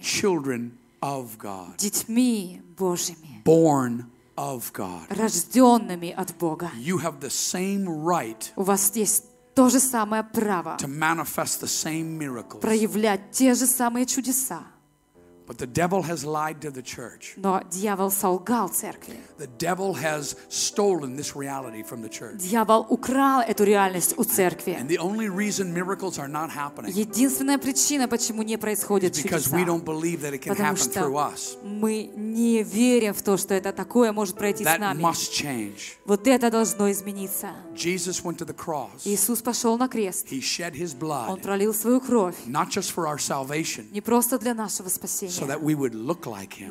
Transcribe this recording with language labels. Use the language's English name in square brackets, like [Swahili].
[English] Children of God. [Russian] Детьми Божьими. [English] Born of God. [Russian] Рождёнными от Бога. [English] You have the same right. [Russian] У вас есть то же самое право. [English] To manifest the same miracles. [Russian] Проявлять те же самые чудеса. [English] But the devil has lied to the church. [Russian] Но дьявол солгал церкви. [English] The devil has stolen this reality from the church. [Russian] Дьявол украл эту реальность у церкви. [English] And the only reason miracles are not happening. [Russian] Единственная причина, почему не происходят чудеса. [English] Because we don't believe that it can happen through us. [Russian] Мы не верим в то, что это такое может пройти с нами. [English] That must change. [Russian] Вот это должно измениться. [English] Jesus went to the cross. [Russian] Иисус пошел на крест. [English] He shed his blood. [Russian] Он пролил свою кровь. [English] Not just for our salvation. [Russian] Не просто для нашего спасения. [English] So that we would look like him.